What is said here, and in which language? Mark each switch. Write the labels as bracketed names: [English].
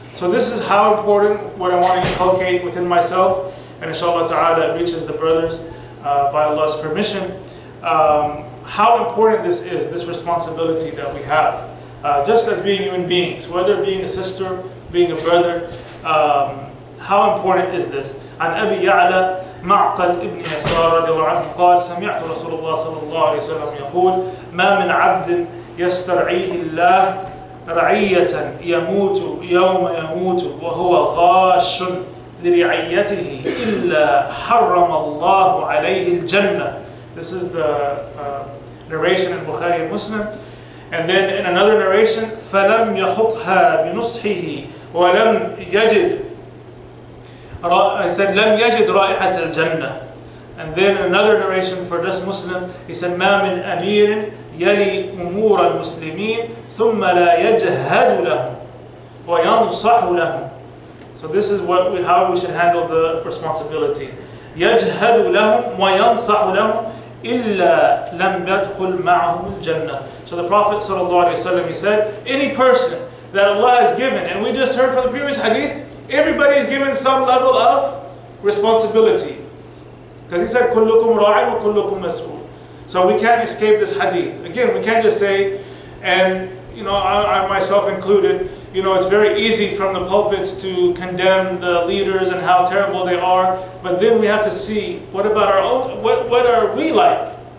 [English] So this is how important what I want to inculcate within myself, and inshallah ta'ala reaches the brothers by Allah's permission. How important this is, this responsibility that we have, just as being human beings, whether being a sister, being a brother, how important is this? [Arabic] عن أبي يعلى معقل ابن يسار رضي الله عنه قال سمعت رسول الله صلى الله عليه وسلم يقول ما من عبد يسترعيه الله رعية يموت يوم يموت وهو غاش لرعيته إلا حرم الله عليه الجنة. [English] This is the narration in Bukhari and Muslim. And then in another narration, [Arabic] فلم يحطها بنصحه ولم يجد, [English] I said, [Arabic] لَمْ يَجِدْ رَائِحَةَ الْجَنَّةِ, [English] And then another narration for just Muslim, he said, [Arabic] مَا مِنْ أَمِيرٍ يَلِي أُمُورَ الْمُسْلِمِينَ ثُمَّ لَا يَجْهَدُ لَهُمْ وَيَنْصَحُ لَهُمْ. [English] So this is what we, how we should handle the responsibility. [Arabic] يَجْهَدُ لَهُمْ وَيَنْصَحُ لَهُمْ إِلَّا لَمْ يَدْخُلْ مَعَهُمُ الْجَنَّةِ. [English] So the Prophet ﷺ, he said, any person that Allah has given, and we just heard from the previous hadith, everybody is given some level of responsibility. Because he said, [Arabic] كُلُّكُمْ رَاعٍ وَكُلُّكُمْ مَسْؤُولٍ. [English] So we can't escape this hadith. Again, we can't just say, and you know, I myself included, you know, it's very easy from the pulpits to condemn the leaders and how terrible they are. But then we have to see, what about our own, what are we like?